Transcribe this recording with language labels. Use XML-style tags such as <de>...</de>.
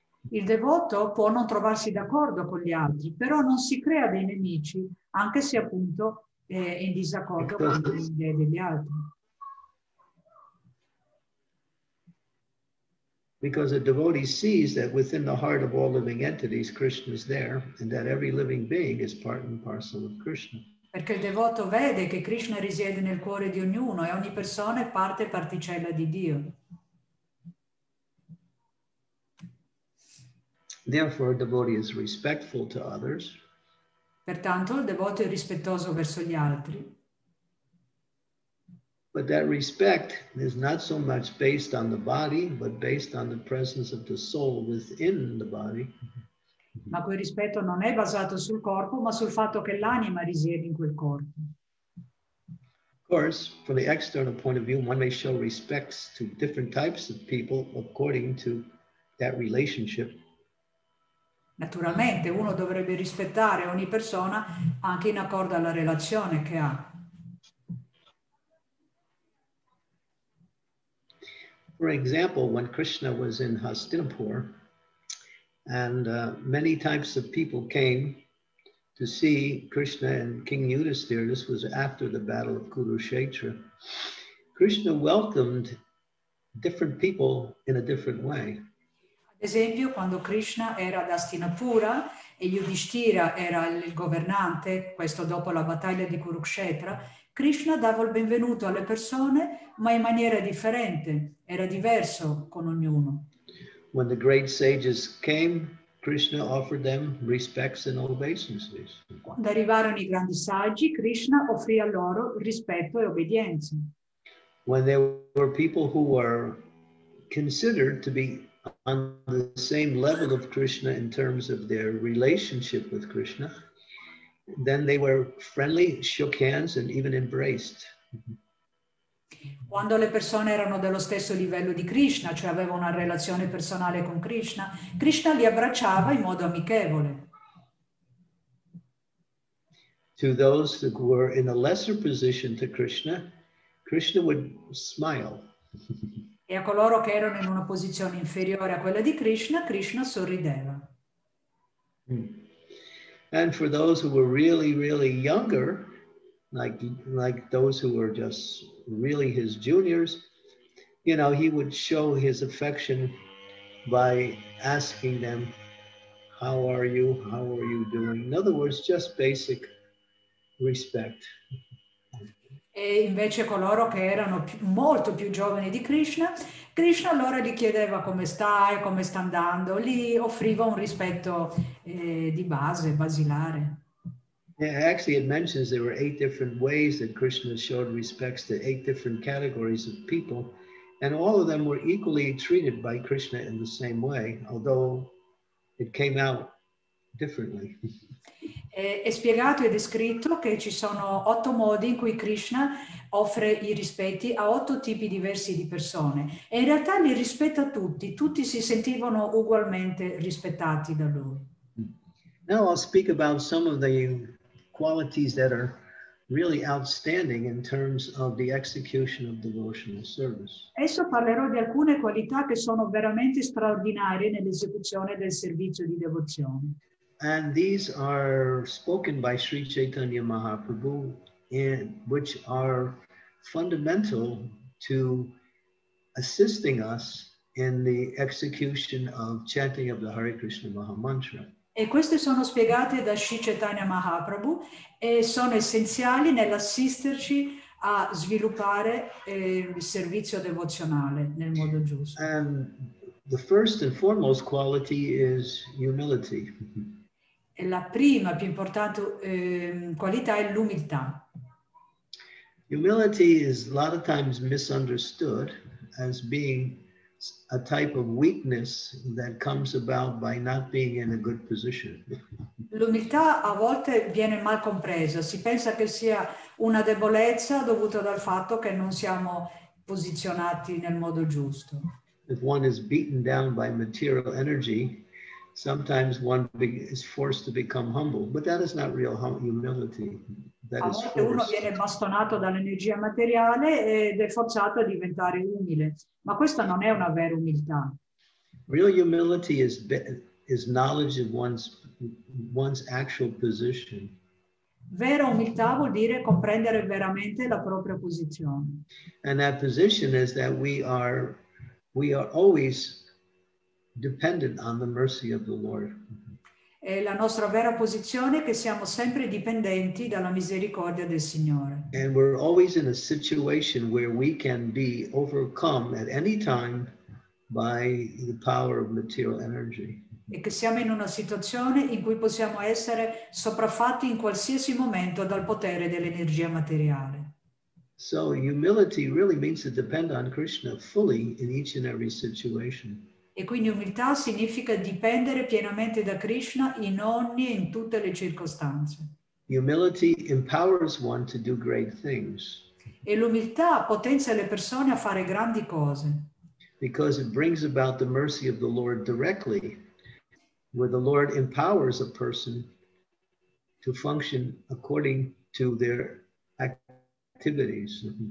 <it>Il devoto può non trovarsi d'accordo con gli altri, però non si crea dei nemici, anche se appunto è in disaccordo con le idee degli altri.</it> <en>Because a devotee sees that within the heart of all living entities, Krishna is there, and that every living being is part and parcel of Krishna.</en> <it>Perché il devoto vede che Krishna risiede nel cuore di ognuno e ogni persona è parte e particella di Dio.</it> <en>Therefore, a devotee is respectful to others.</en> <it>Pertanto, il devoto è rispettoso verso gli altri.</it> <en>But that respect is not so much based on the body, but based on the presence of the soul within the body.</en> <it>Ma quel rispetto non è basato sul corpo, ma sul fatto che l'anima risiede in quel corpo.</it> <en>Of course, from the external point of view, one may show respects to different types of people according to that relationship.</en> <it>Naturalmente, uno dovrebbe rispettare ogni persona anche in accordo alla relazione che ha.</it> <en>For example, when Krishna was in Hastinapur, and many types of people came to see Krishna and King Yudhisthira. This was after the battle of Kurukshetra. Krishna welcomed different people in a different way.</en> <it>Ad esempio, quando Krishna era ad Hastinapura e Yudhisthira era il governante, questo dopo la battaglia di Kurukshetra, Krishna dava il benvenuto alle persone, ma in maniera differente, era diverso con ognuno.</it> <en>When the great sages came, Krishna offered them respects and obeisances.</en> <it>Quando arrivarono I grandi saggi, Krishna offrì a loro rispetto e obbedienza.</it> <en>When there were people who were considered to be on the same level of Krishna in terms of their relationship with Krishna, then they were friendly, shook hands, and even embraced.</en> <it>Quando le persone erano dello stesso livello di Krishna, cioè avevano una relazione personale con Krishna, Krishna li abbracciava in modo amichevole.</it> <en>To those who were in a lesser position to Krishna, Krishna would smile.</en> <it>E a coloro che erano in una posizione inferiore a quella di Krishna, Krishna sorrideva.</it> <en>And for those who were really, really younger, like those who were just really his juniors, you know, he would show his affection by asking them, how are you doing? In other words, just basic respect.</en> <it>E invece coloro che erano molto più giovani di Krishna, Krishna allora gli chiedeva come stai, come sta andando, gli offriva un rispetto di base, basilare.</it> <en>Yeah, actually it mentions there were 8 different ways that Krishna showed respects to 8 different categories of people, and all of them were equally treated by Krishna in the same way, although it came out differently.</en> <it>È spiegato e descritto che ci sono 8 modi in cui Krishna offre I rispetti a 8 tipi diversi di persone, e in realtà li rispetta tutti, tutti si sentivano ugualmente rispettati da lui.</it> <en>Now I'll speak about some of the qualities that are really outstanding in terms of the execution of devotional service.</en> <it>Adesso parlerò di alcune qualità che sono veramente straordinarie nell'esecuzione del servizio di devozione.</it> <en>And these are spoken by Sri Chaitanya Mahaprabhu, which are fundamental to assisting us in the execution of chanting of the Hare Krishna Maha Mantra.</en> <it>E queste sono spiegate da Sri Chaitanya Mahaprabhu e sono essenziali nell'assisterci a sviluppare il servizio devozionale nel modo giusto.</it> <en>And the first and foremost quality is humility.</en> <it>E la prima più importante qualità è l'umiltà.</it> <en>Humility is a lot of times misunderstood as being a type of weakness that comes about by not being in a good position.</en> <it>L'umiltà a volte viene mal compresa. Si pensa che sia una debolezza dovuta dal fatto che non siamo posizionati nel modo giusto.</it> <en>If one is beaten down by material energy, sometimes one is forced to become humble. But that is not real humility. That is forced.</en> <it>A volte uno viene bastonato dall'energia materiale ed è forzato a diventare umile. Ma questa non è una vera umiltà.</it> <en>Real humility is knowledge of one's actual position.</en> <it>Vera umiltà vuol dire comprendere veramente la propria posizione.</it> <en>And that position is that we are always dependent on the mercy of the Lord.</en> <it>È la nostra vera posizione che siamo sempre dipendenti dalla misericordia del Signore.</it> <en>And we're always in a situation where we can be overcome at any time by the power of material energy.</en> <it>E che siamo in una situazione in cui possiamo essere sopraffatti in qualsiasi momento dal potere dell'energia materiale.</it> <en>So humility really means to depend on Krishna fully in each and every situation.</en> <it>E quindi umiltà significa dipendere pienamente da Krishna in ogni e in tutte le circostanze.</it> <en>Humility empowers one to do great things.</en> <it>E l'umiltà potenzia le persone a fare grandi cose.</it> <en>Because it brings about the mercy of the Lord directly, where the Lord empowers a person to function according to their activities.</en>